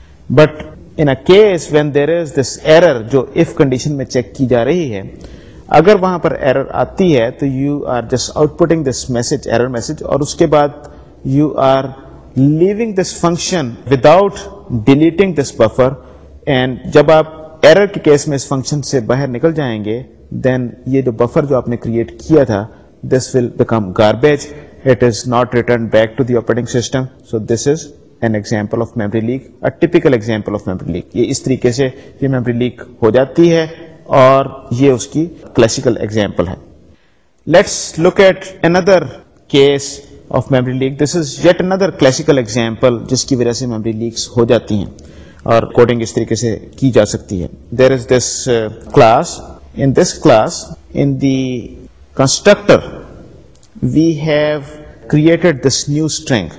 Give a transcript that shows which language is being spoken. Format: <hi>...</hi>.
<en>but in a case when there is this error</en> <ur>جو if condition میں check کی جا رہی ہے, اگر وہاں پر ایرر آتی ہے تو</ur> <en>you are just outputting this message error message,</en> <ur>اور اس کے بعد</ur> <en>You are leaving this function without deleting this buffer.</en> <ur>And جب آپ ایرر کے کیس میں اس فنکشن سے باہر نکل جائیں گے, دین یہ جو بفر جو آپ نے کریٹ کیا تھا,</ur> <en>This will become garbage, it is not return back to the operating system. So this is an example of memory leak, a typical example of memory leak.</en> <ur>یہ اس طریقے سے یہ میمری لیک ہو جاتی ہے اور یہ اس کی کلاسیکل ایگزامپل ہے.</ur> <en>Let's look at another case of memory leak. This is yet another classical example</en> <ur>جس کی وجہ سے میمری لیکس ہو جاتی ہیں اور کوڈنگ اس طریقے سے کی جا سکتی ہے.</ur> <en>There is this class, in this class in the constructor we have created this new string.</en>